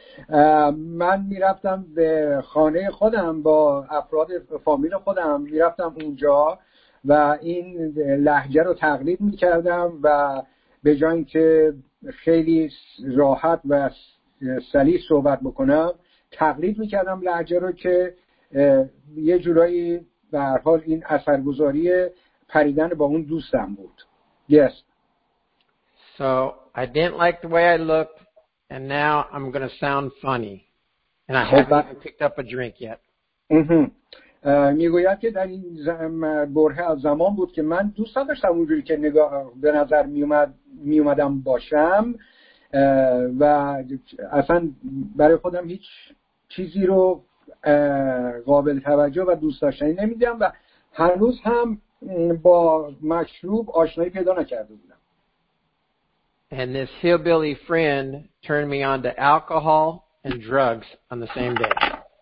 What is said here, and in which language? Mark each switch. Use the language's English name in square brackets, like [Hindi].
[Persian] من میرفتم به خانه خودم با افراد فامیل خودم میرفتم اونجا و این لهجه رو تقلید میکردم و به جای اینکه خیلی راحت و سلیس صحبت بکنم تقلید میکردم لهجه رو که یه جورایی به هر حال این اثرگذاری پریدن با اون دوستم بود. [English] Yes. So I didn't like the way I looked. And now I'm going to sound funny. And I haven't even picked up a drink yet. [Persian] میگوید که در این برهه از زمان بود که من دوست داشتم اونجوری که نگاه به نظر میومدم باشم و اصلا برای خودم هیچ چیزی رو قابل توجه و دوست داشتنی نمیدیدم و هنوز هم با مشروب آشنایی پیدا نکرده بودم. [English] And this hillbilly friend turned me on to alcohol and drugs on the same day.